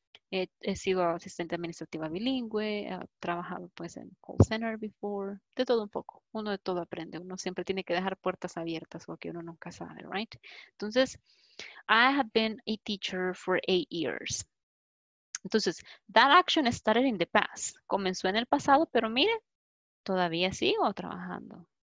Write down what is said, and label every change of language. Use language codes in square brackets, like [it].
[es] He sido asistente administrativa bilingüe, he trabajado pues en call center [en] before, [es] de todo un poco. Uno de todo aprende, uno siempre tiene que dejar puertas abiertas porque uno nunca sabe, [en] right? [es] Entonces, [en] I have been a teacher for 8 years. [es] Entonces, [en] that action started in the past. [es] Comenzó en el pasado, pero mire, todavía sigo trabajando.